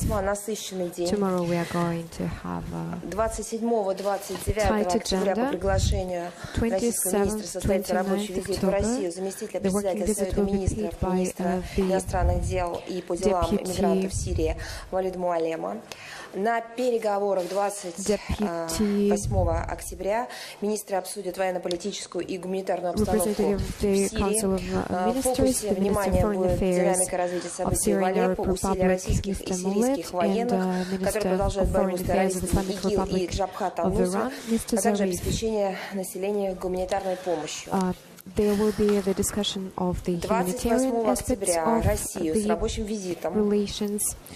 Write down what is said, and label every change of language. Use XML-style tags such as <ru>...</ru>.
<en>Tomorrow we are going to have a tight agenda. 27th, 29th October, the working visit will be paid by the deputy</en> <ru>На переговорах 28 октября министры обсудят военно-политическую и гуманитарную обстановку в Сирии. В фокусе внимания будет динамика развития событий в Алеппо, усилия российских и сирийских военных, которые продолжают борьбу с террористами ИГИЛ и Джабхат ал-Нусра, а также обеспечение населения гуманитарной помощью.</ru> <en>There will be the discussion of the humanitarian aspects of the relations.</en>